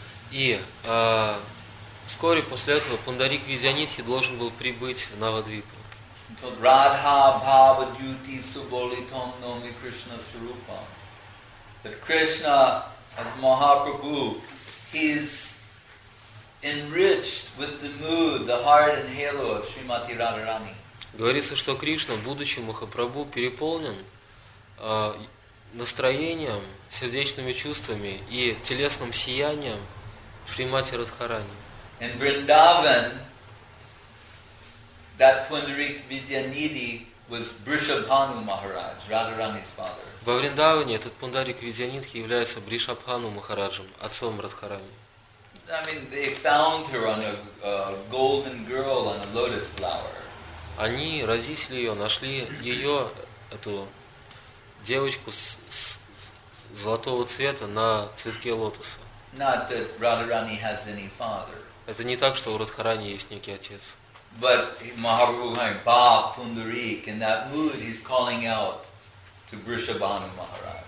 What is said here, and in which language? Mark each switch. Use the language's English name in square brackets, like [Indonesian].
[Russian] И вскоре после этого Пундарик Видянитхи должен был прибыть в Навадвипу. [Sanskrit] Радха Бхава Дьюти Суболитом Номи Кришна Сурупам. [English] That Krishna as Mahaprabhu, he's enriched with the mood, the heart and halo of Srimati Radharani. [Russian] Говорится, что Кришна, будучи Махапрабху, переполнен настроением, сердечными чувствами и телесным сиянием Шримати Радхарани. [English] In Vrindavan, that Pundarik Vidyanidhi was Brishabhanu Maharaj, Radharani's father. [Russian] Во Вриндаване этот Пундарик Видьянитхи является Бришабхану Махараджем, отцом Радхарани. [English] I mean, they found her on a golden girl on a lotus flower. [Russian] Они, родители ее, нашли ее, эту девочку с золотого цвета на цветке лотоса. [English] Not that Radharani has any father. [Russian] Это не так, что у Радхарани есть некий отец. [English] But Mahaprabhu going, Bab Pundarik, in that mood he's calling out to Brishabhanu Maharaj.